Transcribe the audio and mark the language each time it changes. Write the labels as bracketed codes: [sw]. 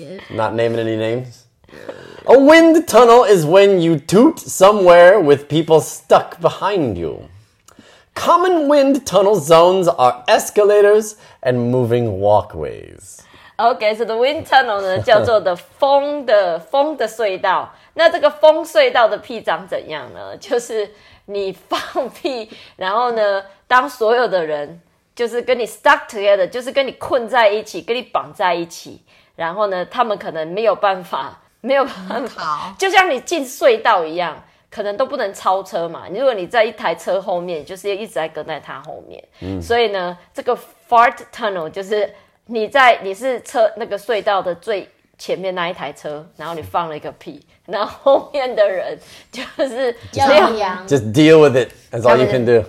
[en] Not naming any names. A wind tunnel is when you toot somewhere with people stuck behind you. Common wind tunnel zones are escalators and moving walkways. Okay, so the wind tunnel [zh] 呢叫做 the 风的隧道。那这个风隧道的屁长怎样呢？就是你放屁，然后呢，当所有的人就是跟你 [en] stuck together， [zh] 就是跟你困在一起，跟你绑在一起，然后呢，他们可能没有办法，就像你进隧道一样。可能都不能超车嘛，如果你在一台车后面，就是一直在跟在他后面、所以呢这个 fart tunnel 就是你是车那个隧道的最前面那一台车，然后你放了一个屁，然后后面的人就是 [en] just deal with it, that's all you can do.